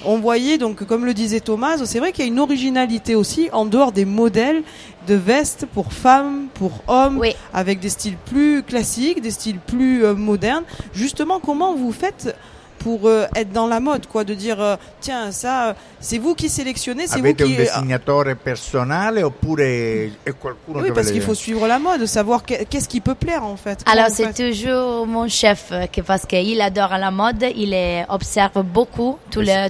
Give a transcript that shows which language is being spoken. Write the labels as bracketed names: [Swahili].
[French] on voyait, donc, comme le disait Thomas, c'est vrai qu'il y a une originalité aussi en dehors des modèles de vestes pour femmes, pour hommes, oui. avec des styles plus classiques, des styles plus modernes. Justement, comment vous faites pour être dans la mode, quoi, de dire tiens, ça, c'est vous qui sélectionnez, c'est [Italian] Avete Avete un dessinatore personale oppure è qualcuno? [French] Oui, parce qu'il faut suivre la mode, savoir qu'est-ce qui peut plaire en fait. Alors, c'est toujours mon chef, parce qu'il adore la mode, il observe beaucoup tous les.